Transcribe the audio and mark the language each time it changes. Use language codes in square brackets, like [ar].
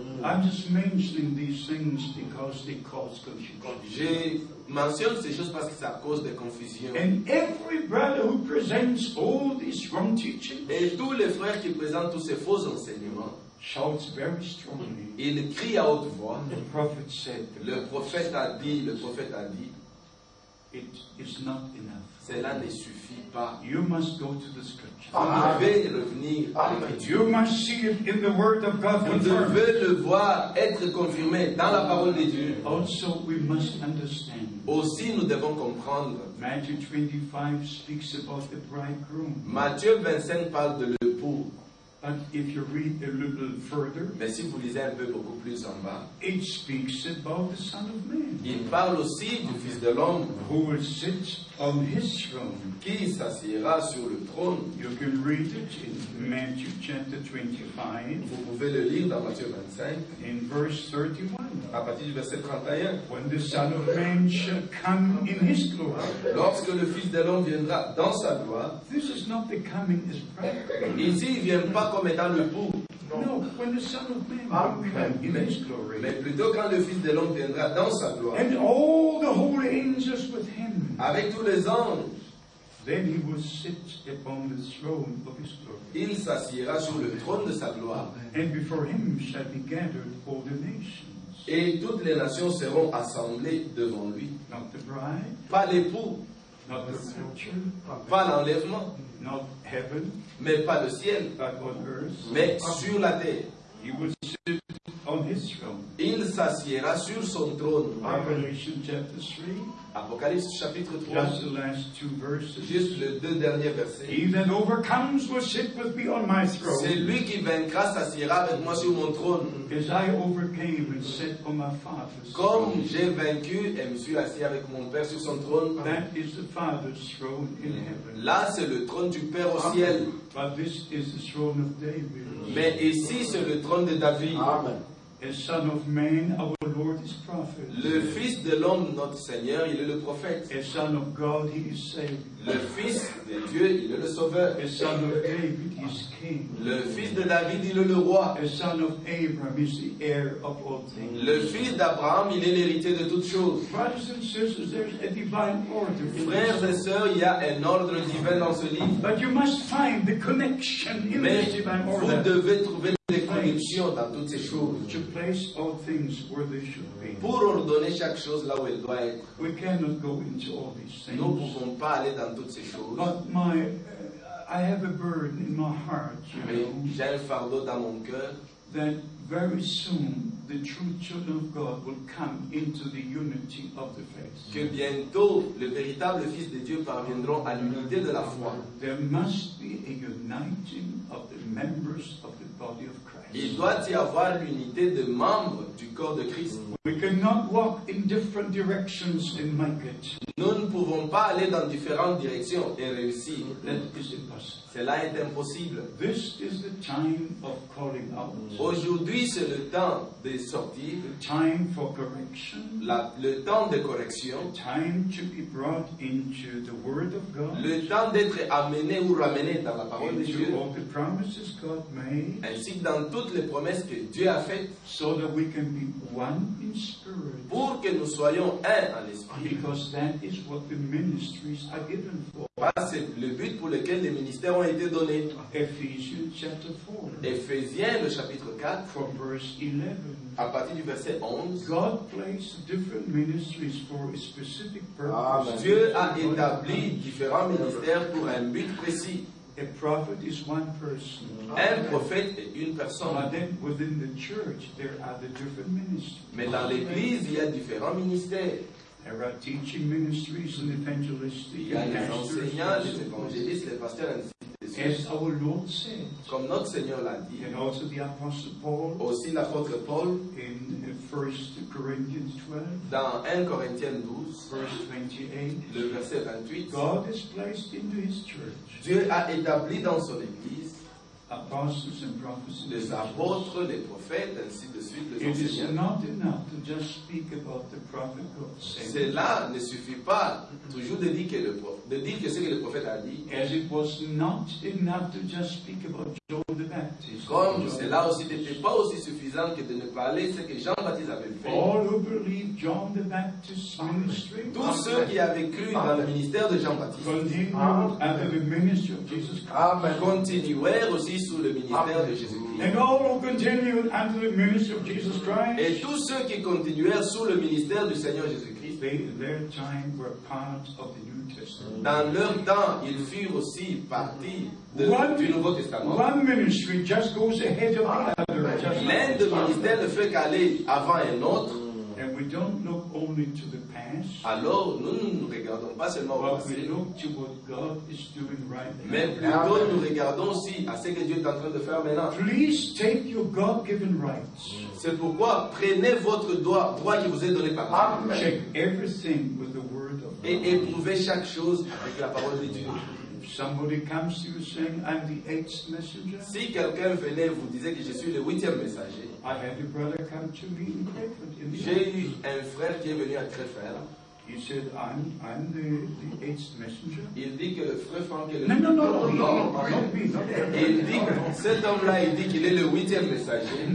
[en] I'm just mentioning these things because they cause confusion. [fr] Je mentionne ces choses parce que ça cause des confusions. [en] And every brother who presents all these wrong teachings. [fr] Et tous les frères qui présentent tous ces faux enseignements. [en] Shouts very strongly. [fr] Il crie à haute voix. [en] The prophet said. [fr] Le prophète a dit. Le prophète a dit. [en] It is not enough. [fr] Cela ne suffit pas. [en] You must go to the scripture. [fr] Vous devez revenir à l'écriture. [en] You must see it in the word of God. [fr] Vous devez le voir être confirmé dans la parole de Dieu. [en] Also, we must understand. [fr] Aussi, nous devons comprendre. [en] Matthew 25 speaks about the bridegroom. [fr] Matthieu 25 parle de l'époux. [en] But if you read a little further, [fr] mais si vous lisez un peu beaucoup plus en bas, [en] it speaks about the Son of Man. [fr] Il parle aussi du Fils de l'homme, [en] who will sit on his throne. [fr] Qui s'assiera sur le trône. [en] You can read it in Matthew chapter 25. [fr] Vous pouvez le lire dans Matthieu 25. [en] In verse 31. [fr] À partir du verset 31. [en] When the Son of Man shall come in his glory. [fr] Lorsque le Fils de l'homme viendra dans sa gloire. [en] This is not the coming as bride. [fr] Ici, il vient pas comme étant le pour. [en] No, when the Son of Man will be in his glory. [fr] Mais plutôt quand le Fils de l'homme viendra dans sa gloire. [en] And all the holy angels with him. [fr] Avec tous les anges. [en] Then he will sit upon the throne of his glory. [fr] Il s'assiera sur le trône de sa gloire. [en] And before him shall be gathered all the nations. [fr] Et toutes les nations seront assemblées devant lui. [en] Not the bride. [fr] Pas l'époux. [en] Not the rapture. [fr] Pas l'enlèvement. [en] Not heaven. [fr] Mais pas le ciel. [en] But on earth. [fr] Mais sur la terre. [en] He will sit on his throne. [fr] Il s'assiera sur son trône. [en] Revelation chapter 3. [fr] Apocalypse chapitre 3. [en] Just the last two verses. [fr] Juste les deux derniers versets. [en] He that overcomes will sit with me on my throne. [fr] C'est lui qui vaincra s'assiera avec moi sur mon trône. [en] As I overcame and sit on my father's throne. [fr] Comme j'ai vaincu et me suis assis avec mon père sur son trône. [en] That is the father's throne in heaven. [fr] Là c'est le trône du père au ciel. [en] But this is the throne of David. [fr] Mais ici c'est le trône de David. [en] Amen. A son of man, our Lord is prophet. [fr] Le Fils de l'homme, notre Seigneur, il est le prophète. [en] A son of God, he is Savior. [fr] Le Fils de Dieu, il est le Sauveur. [en] A son of David, he is King. [fr] Le Fils de David, il est le Roi. [en] A son of Abraham, he is the heir of all things. [fr] Le Fils d'Abraham, il est l'héritier de toutes choses. [en] Brothers and sisters, there is a divine order. [fr] Frères et sœurs, il y a un ordre divin dans ce livre. [en] But you must find the connection in [fr] mais [en] the divine order. [fr] Vous devez trouver les connexions dans toutes ces choses. [en] To place all things where they should be. [fr] Pour ordonner chaque chose là où elle doit être. [en] We cannot go into all these things. [fr] Nous ne pouvons pas aller dans toutes ces choses. [en] But my, I have a burden in my heart, you [fr] mais j'ai un fardeau dans mon cœur. [en] That very soon the true children of God will come into the unity of the faith. [fr] Que bientôt le véritable fils de Dieu parviendront à l'unité de la foi. [en] There must be a uniting of the members of the body of Christ. [fr] Il doit y avoir l'unité de membres du corps de Christ. [en] We cannot walk in different directions and make it. [fr] Nous ne pouvons pas aller dans différentes directions et réussir. [en] That is impossible. [fr] Cela est impossible. [en] This is the time of calling out. [fr] Aujourd'hui, c'est le temps de sortir. [en] The time for correction. [fr] Le temps de correction. [en] The time to be brought into the Word of God. [fr] Le temps d'être amené ou ramené dans la parole de Dieu. [en] All the promises God made. [fr] Ainsi que dans toutes les promesses que Dieu a faites. [en] So that we can be one in spirit. [fr] Pour que nous soyons un en esprit. [en] Because that is what the ministries are given for. [fr] C'est le but pour lequel les ministères ont été donnés. Ephésiens, chapitre 4. Ephésiens, le chapitre 4. [en] From verse 11. [fr] À partir du verset 11. [en] God placed different ministries for a specific purpose. [fr] Dieu a établi différents ministères pour un but précis. [en] A prophet is one person. [fr] Un prophète est une personne. [en] But then within the church, there are the different ministries. [fr] Mais dans l'église, il y a différents ministères. [en] There are teaching ministries and evangelists. [fr] Il y a les enseignants, les évangélistes, les pasteurs, ainsi de suite. [en] As our Lord said, [fr] comme notre Seigneur l'a dit. [en] And also the Apostle Paul, [fr] aussi l'apôtre Paul, [en] in 1 Corinthians 12, [fr] dans 1 Corinthiens 12, [en] verse 28, [fr] le verset 28, [en] God has placed into his church, [fr] Dieu a établi dans son église [en] apostles and prophets, [fr] les apôtres, les prophètes, ainsi de suite, les [en] it [fr] enseignants. [en] Is not enough to just speak about the prophet God saying. [fr] Cela ne suffit pas toujours de dire que le prophète, de dire que ce que le prophète a dit. [en] As it was not enough to just speak about John the Baptist. [fr] Comme cela aussi n'était pas aussi suffisant que de ne parler ce que Jean Baptiste avait fait. [en] All who believed John the Baptist's ministry. [fr] Tous ceux qui avaient cru dans le ministère de Jean Baptiste. [en] Continued under the ministry of Jesus Christ. Amen. [fr] Continuèrent aussi sous le ministère de Jésus-Christ. [en] And all who continued under the ministry of Jesus Christ. [fr] Et tous ceux qui continuèrent sous le ministère du Seigneur Jésus-Christ. [en] Their time were part of the New Testament. [fr] Dans leur temps, ils furent aussi partie du Nouveau Testament. [en] One ministry just goes ahead of another. [fr] L'un de ministères ne fait qu'aller avant un autre. [en] And we don't look only to the past. [fr] Alors, nous ne nous regardons pas seulement au passé. [en] We look to what God is doing right now. [fr] Mais plutôt, nous regardons aussi à ce que Dieu est en train de faire maintenant. [en] Please take your God-given rights. [fr] C'est pourquoi prenez votre droit qui vous est donné par Dieu. [en] Amen. Check everything with the word of God. [fr] Et éprouvez chaque chose avec la parole de Dieu. [en] Somebody comes to you saying, I'm the eighth messenger. [fr] Si quelqu'un venait vous disait que je suis le huitième messager. [en] I had a brother come to me in Crayford. [fr] J'ai eu un frère qui est venu à Crayford. [en] He said, I'm the eighth messenger. [fr] Il dit que le frère Franck est le huitième. Non, [en] me, not me. [fr] Il dit, cet homme-là, il dit qu'il est le huitième messager.